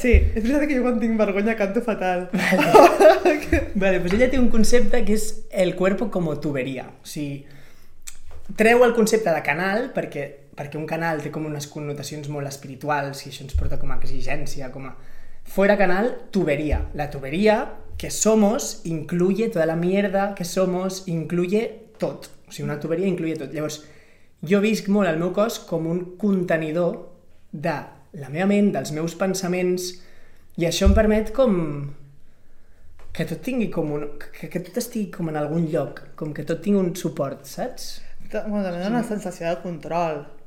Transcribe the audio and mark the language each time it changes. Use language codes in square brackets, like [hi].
[ca] Sí, és veritat que jo quan tinc vergonya canto fatal. Vale, vale, doncs ella té un concepte que és [es] el cuerpo como tubería. [ca] O sigui, treu el concepte de canal perquè un canal té com unes connotacions molt espirituals i això ens porta com a exigència, com a... [es] Fuera canal, tubería. La tubería que somos incluye toda la mierda que somos, incluye [ca] tot. O sigui, una tuberia [es] incluye [ca] tot. Llavors, jo visc molt el meu cos com un contenidor de la meva ment, dels meus pensaments, i això em permet com... que tot tingui com un... que tot estigui com en algun lloc, com que tot tingui un suport, saps? També dona una sensació de control.